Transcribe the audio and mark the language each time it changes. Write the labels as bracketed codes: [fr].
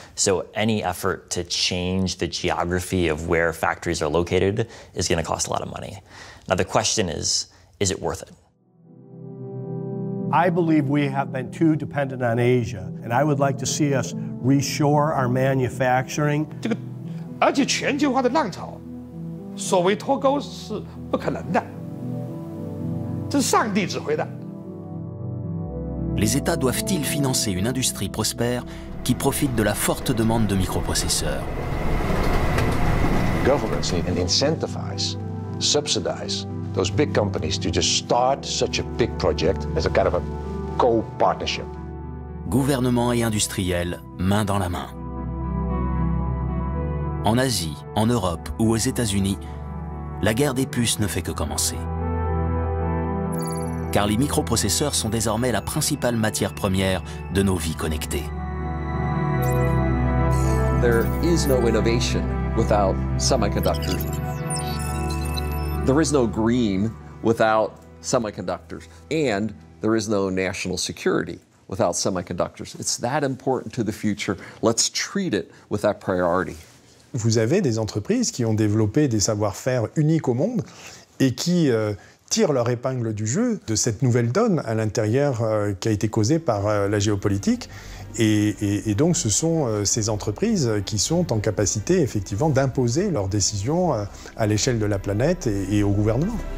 [en] So any effort to change the geography of where factories are located is going to cost a lot of money. Now the question is it worth it? I believe we have been too dependent on Asia, and I would like to see us reshore our manufacturing. [zh] 这个，而且全球化的浪潮，所谓脱钩是不可能的，这是上帝指挥的。 [fr] Les États doivent-ils financer une industrie prospère qui profite de la forte demande de microprocesseurs? [en] Governments need an incentivize, subsidize those big companies to just start such a big project as a kind of a co-partnership. [fr] Gouvernement et industriels, main dans la main. En Asie, en Europe ou aux États-Unis, la guerre des puces ne fait que commencer. Car les microprocesseurs sont désormais la principale matière première de nos vies connectées. [en] There is no innovation without semiconductors. There is no green without semiconductors. And there is no national security without semiconductors. It's that important to the future. Let's treat it with that priority. [fr] Vous avez des entreprises qui ont développé des savoir-faire uniques au monde et qui tirent leur épingle du jeu de cette nouvelle donne à l'intérieur qui a été causée par la géopolitique. Et donc, ce sont ces entreprises qui sont en capacité, effectivement, d'imposer leurs décisions à l'échelle de la planète et au gouvernement.